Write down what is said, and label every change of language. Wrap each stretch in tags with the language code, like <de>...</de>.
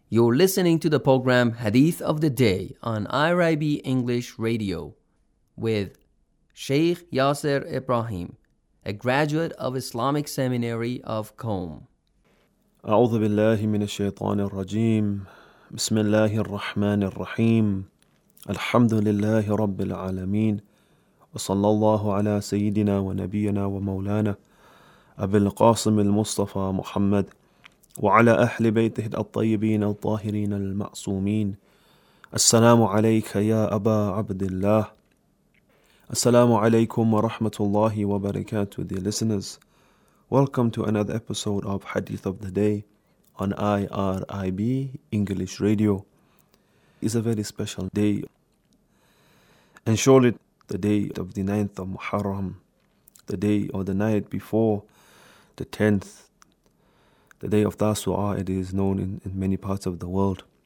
<en>You're listening to the program Hadith of the Day on IRIB English Radio with Sheikh Yasser Ibrahim, a graduate of Islamic Seminary of Qom.</en> <ar>أعوذ بالله من الشيطان الرجيم. بسم الله الرحمن الرحيم الحمد لله رب العالمين وصلى الله على سيدنا ونبينا ومولانا أبي القاسم المصطفى محمد وعلى أهل بيته الطيبين الطاهرين المعصومين السلام عليك يا أبا عبد الله السلام عليكم ورحمة الله وبركاته.</ar> <en>Dear listeners, welcome to another episode of Hadith of the Day on IRIB English Radio. Is a very special day, and surely the day of the 9th of Muharram, the day or the night before the 10th, the day of Tasu'a, it is known in many parts of the world.</en>